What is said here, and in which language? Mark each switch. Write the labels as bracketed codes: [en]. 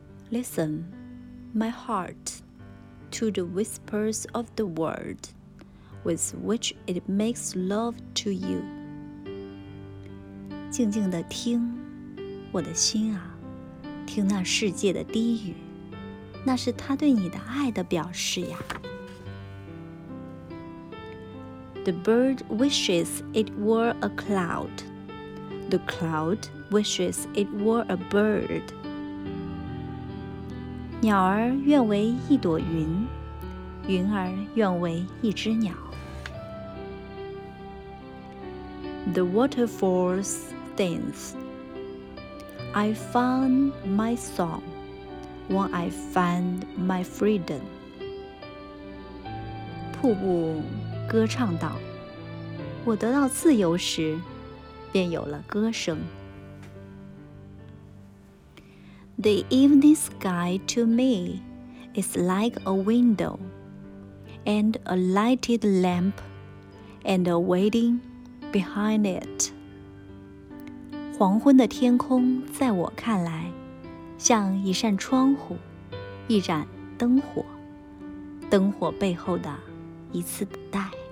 [en] Listen, my heart, to the whispers of the world with which it makes love to you. [zh] 静静地听，我的心啊，听那世界的低语，那是他对你的爱的表示呀。 [en] The bird wishes it were a cloud. The cloud wishes it were a bird. [zh] 鸟儿愿为一朵云，云儿愿为一只鸟。 [en] The waterfall thins. I found my song when I found my freedom. [zh] 瀑布歌唱道，我得到自由时便有了歌声。 [en] The evening sky to me is like a window and a lighted lamp and a waiting behind it. [zh] 黄昏的天空在我看来像一扇窗户，一盏灯火，灯火背后的一次等待。